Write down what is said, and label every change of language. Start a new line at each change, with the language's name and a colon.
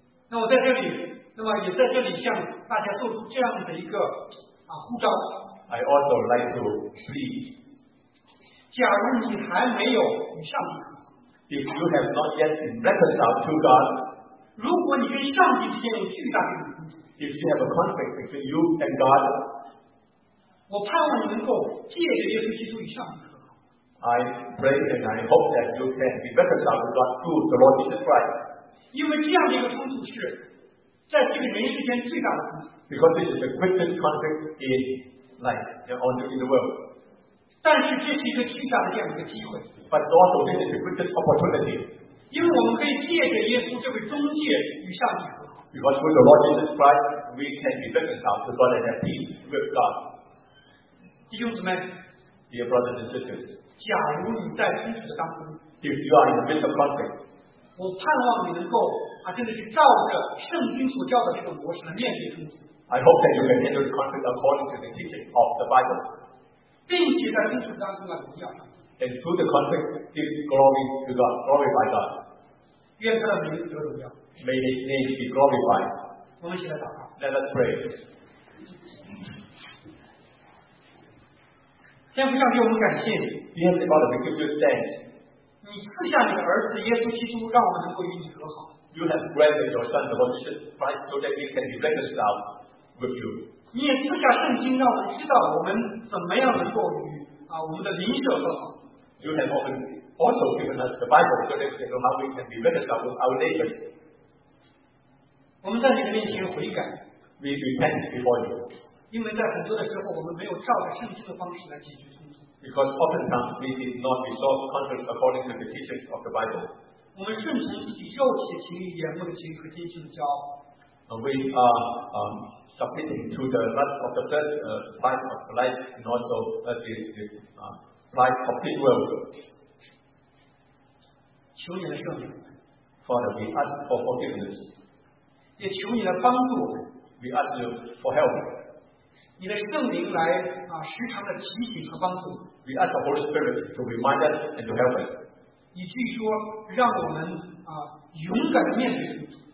Chinese: 那我在这里，那么也在这里向大家做出这样的一个呼召。
English: I also like to plead.
Chinese: 假如你还没有与上帝
English: ，If you have not yet been reconciled to God，
Chinese: 如果你跟上帝之间有巨大的冲突
English: ，If you have a conflict between you and God，
Chinese: 我盼望你能够借着耶稣基督与上帝和好。
English: I pray and I hope that you can be reconciled to God through the Lord Jesus Christ。
Chinese: 因为这样的一个冲突是在这个人世间最大的冲突。
English: Because this is the greatest conflict in life and in the world。
Chinese: 但是这是一个巨大的这样一个机会。
English: But also this is a greatest opportunity.
Chinese: 因为我们可以借着耶稣这位中介与上帝和好。
English: Because through the Lord Jesus Christ, we can be reconciled to God and have peace with God.
Chinese: 弟兄姊妹
English: ，Dear brothers and sisters,
Chinese: 假如你在冲突当中
English: ，If you are in the midst of conflict,
Chinese: 我盼望你能够真的是照着圣经所教的这个模式来面对冲突。
English: I hope that you can handle the conflict according to the teaching of the Bible.
Chinese: 并且在冲突当中来荣耀上帝。
English: And through the conflict, give glory to God, glorify God.
Chinese: 愿他的名得荣耀。
English: May His name be glorified.
Chinese: 我们一起来祷告。
English: Let us pray.
Chinese: 天父上帝，我们感谢你。
English: Dear Heavenly Father, we give you thanks.
Chinese: 你赐下你的儿子耶稣基督，让我们能够与你和好。
English: You have granted your Son the Lord Jesus Christ so that we can be reconciled with you.
Chinese: 你也赐下圣经，让我们知道我们怎么样能够与我们的邻舍和好。
English: You have often also given us the Bible so that we know how we can be reconciled with our neighbors.
Chinese: 我们在你的面前悔改。
English: We repent before you.
Chinese: 因为在很多的时候，我们没有照着圣经的方式来解决冲突。
English: Because oftentimes we did not resolve conflicts according to the teachings of the Bible.
Chinese: 我们甚至以肉体的情欲言不清和天性的骄傲。
English: We are submitting to the lust of the flesh, pride of life, and also the pride of the world.
Chinese: 求你的赦免。
English: Father, we ask for forgiveness.
Chinese: 也求你来帮助我们。
English: We ask you for help.
Chinese: 你的圣灵来啊，时常的提醒和帮助。
English: We ask the Holy Spirit to remind us and to help us.
Chinese: 以至于说，让我们啊，勇敢的面对。